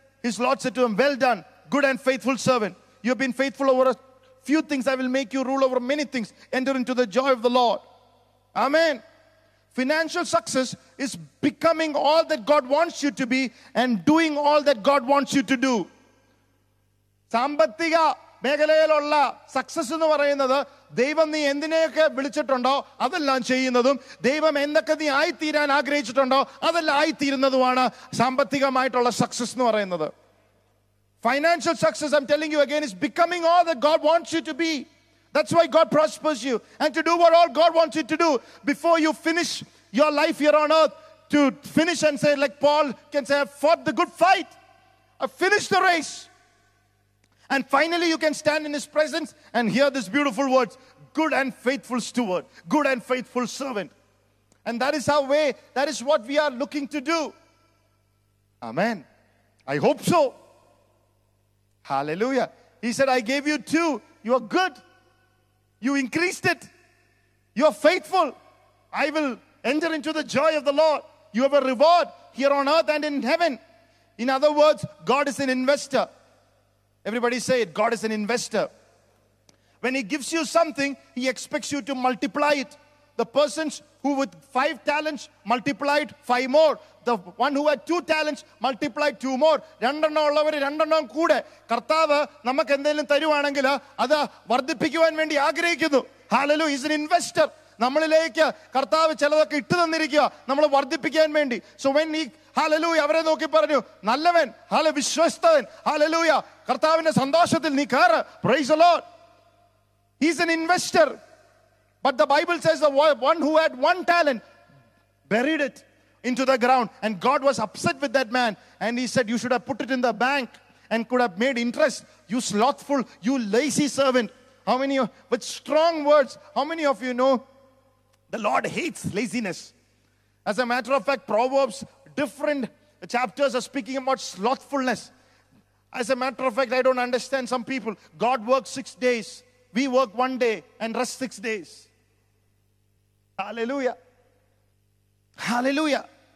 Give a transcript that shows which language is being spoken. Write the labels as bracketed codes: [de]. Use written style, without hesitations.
[en] His Lord said to him, "Well done, good and faithful servant. You have been faithful over a few things. I will make you rule over many things. Enter into the joy of the Lord." Amen. Financial success is becoming all that God wants you to be and doing all that God wants you to do. [ml] Sambathiga മേഖലയിലുള്ള success എന്ന് പറയുന്നത് ദൈവം നീ എന്തിനെയൊക്കെ വിളിച്ചിട്ടുണ്ടോ അതെല്ലാം ചെയ്യുന്നതും ദൈവം എന്തൊക്കെ നീ ആയിത്തീരാൻ ആഗ്രഹിച്ചിട്ടുണ്ടോ അതെല്ലാം ആയിത്തീരുന്നതുമാണ് സാമ്പത്തികമായിട്ടുള്ള സക്സസ് എന്ന് പറയുന്നത്. [en] Financial success I'm telling you again is becoming all that God wants you to be. That's why God prospers you and to do what all God wants you to do before you finish your life here on earth. To finish and say like Paul can say, I fought the good fight, I finish the race. And finally, you can stand in his presence and hear these beautiful words, "Good and faithful steward, good and faithful servant." And that is our way. That is what we are looking to do. Amen. I hope so. Hallelujah. He said, "I gave you two. You are good. You increased it. You are faithful. I will enter into the joy of the Lord. You have a reward here on earth and in heaven." In other words, God is an investor. Everybody say it. God is an investor. When he gives you something, he expects you to multiply it. The persons who with five talents multiplied five more. The one who had two talents multiplied two more. [ml] രണ്ടെണ്ണം ഉള്ളവർ രണ്ടെണ്ണം കൂടെ. കർത്താവ് നമുക്ക് എന്തെങ്കിലും തരുവാണെങ്കിൽ അത് വർദ്ധിപ്പിക്കുവാൻ വേണ്ടി ആഗ്രഹിക്കുന്നു. ഹല്ലേലൂയ. [en] Is an investor. [ml] നമ്മളിലേക്ക് കർത്താവ് ചിലതൊക്കെ ഇട്ടു തന്നിരിക്കുക നമ്മൾ വർദ്ധിപ്പിക്കാൻ വേണ്ടി. [en] so when he [ml] ഹല്ലേലൂയ അവരെ നോക്കി പറഞ്ഞു, "നല്ലവൻ, ഹല്ല വിശ്വസ്തവൻ, ഹല്ലേലൂയ കർത്താവിന്റെ സന്തോഷത്തിൽ നീ കയറ്, [en] Praise the Lord." He's an investor. But the Bible says the one who had one talent buried it into the ground and God was upset with that man and he said you should have put it in the bank and could have made interest. You slothful, you lazy servant. How many of you, with strong words, how many of you know the Lord hates laziness? As a matter of fact, Proverbs, different chapters are speaking about slothfulness. As a matter of fact, I don't understand some people. God works 6 days, we work one day and rest 6 days. Hallelujah. Hallelujah.